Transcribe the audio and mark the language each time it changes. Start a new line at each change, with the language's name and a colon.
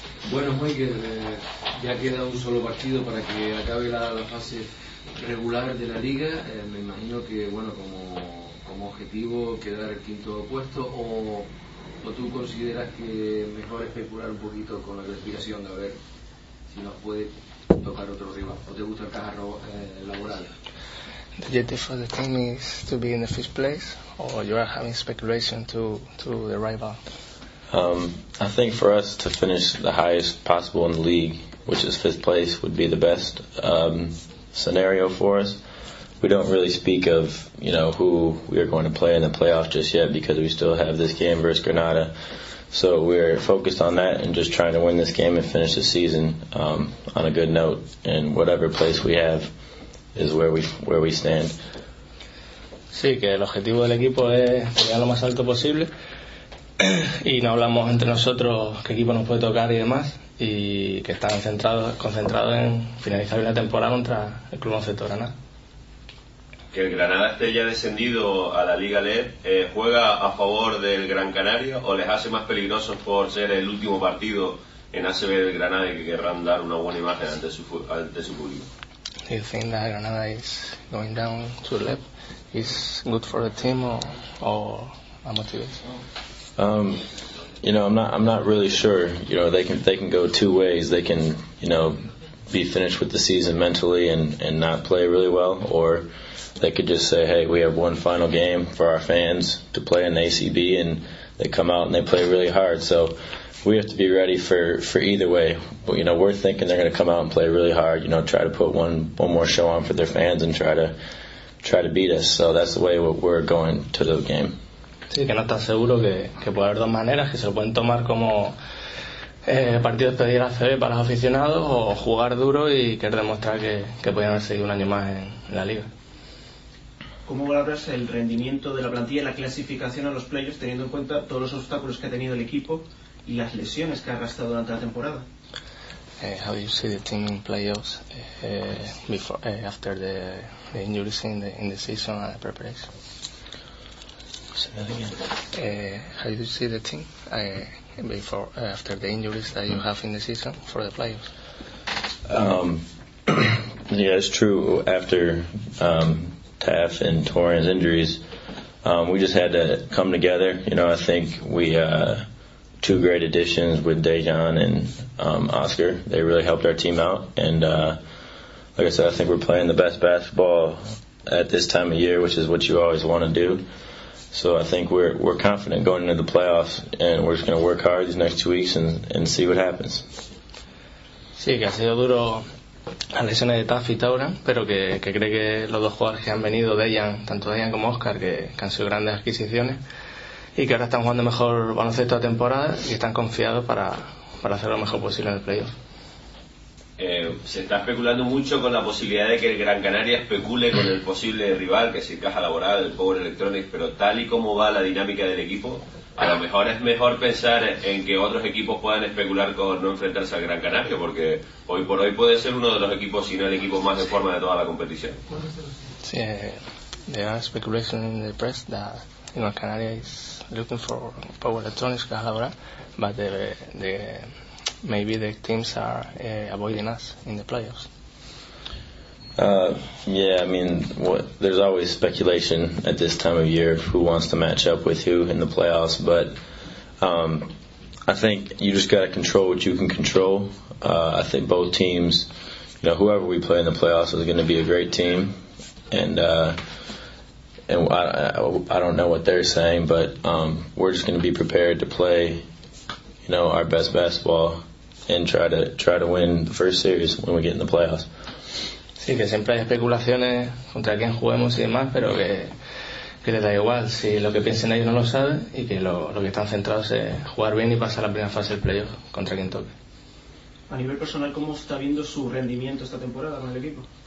Spanish: Bueno, Michael, ya queda un solo partido para que acabe la fase regular de la liga. Me imagino que, bueno, como objetivo quedar el quinto puesto, o tú consideras que mejor especular un poquito con la clasificación, de a ver si nos puede tocar otro rival. ¿O te gusta el carro laboral?
English: The objective for the team is to be in the first place, or you are having speculation to the rival? I think for us to finish the highest possible in the league, which is fifth place, would be the best scenario for us. We don't really speak of, you know, who we are going to play in the playoff just yet, because we still have this game versus Granada. So we're focused on that and just trying to win this game and finish the season on a good note. And whatever place we have is where we stand.
Spanish: Sí, que el objetivo del equipo es llegar lo más alto posible. Y no hablamos entre nosotros qué equipo nos puede tocar y demás, y que están concentrados en finalizar la temporada contra el Club Once Granada. Que el Granada esté ya descendido a la Liga LED, ¿juega a favor del Gran Canaria o les hace más peligrosos por ser el último partido en ACB del Granada y que querrán dar una buena imagen ante su público?
English: Do you think that Granada is going down to LED is good for the team or a motivation? You know, I'm not really sure. You know, they can go two ways. They can, you know, be finished with the season mentally and not play really well, or they could just say, hey, we have one final game for our fans to play in the ACB, and they come out and they play really hard. So we have to be ready for either way. But, you know, we're thinking they're going to come out and play really hard, you know, try to put one more show on for their fans and try to beat us. So that's the way we're going to the game.
Spanish: Sí, que no está seguro, que puede haber dos maneras, que se lo pueden tomar como partido de despedida a CB para los aficionados, o jugar duro y querer demostrar que podían haber seguido un año más en la liga. ¿Cómo valoras el rendimiento de la plantilla y la clasificación a los playoffs, teniendo en cuenta todos los obstáculos que ha tenido el equipo y las lesiones que ha arrastrado durante la temporada?
English: How do you see the team in playoffs before, after the injuries in the season and the preparation? How do you see the team after the injuries that you have in the season for the playoffs? Yeah, it's true. After Taff and Torian's injuries, we just had to come together. You know, I think we two great additions with Dejan and Oscar. They really helped our team out. And like I said, I think we're playing the best basketball at this time of year, which is what you always want to do. So I think we're confident going into the playoffs, and we're just going to work hard these next 2 weeks and see what happens.
Spanish: Sí, que ha sido duro las lesiones de Taff y Tauran, pero que cree que los dos jugadores que han venido, tanto Dejan como Oscar, que han sido grandes adquisiciones, y que ahora están jugando mejor baloncesto la temporada y están confiados para hacer lo mejor posible en el playoff. Se está especulando mucho con la posibilidad de que el Gran Canaria especule con el posible rival, que es el Caja Laboral, el Power Electronics, pero tal y como va la dinámica del equipo, a lo mejor es mejor pensar en que otros equipos puedan especular con no enfrentarse al Gran Canaria, porque hoy por hoy puede ser uno de los equipos, si no el equipo más en forma de toda la competición.
English: Sí, there are speculation in the press that Gran Canaria is looking for Power Electronics, Caja Laboral, but the maybe the teams are avoiding us in the playoffs. There's always speculation at this time of year who wants to match up with who in the playoffs, but I think you just got to control what you can control. I think both teams, you know, whoever we play in the playoffs is going to be a great team, and I don't know what they're saying, but we're just going to be prepared to play, you know, our best basketball and try to win the first series when we get in the playoffs.
Spanish: Sí, que siempre hay especulaciones contra quién juguemos y demás, pero que les da igual si lo que piensen ellos no lo saben, y que lo que están centrados es jugar bien y pasar la primera fase del playoff contra quien toque. A nivel personal, ¿cómo está viendo su rendimiento esta temporada con el equipo?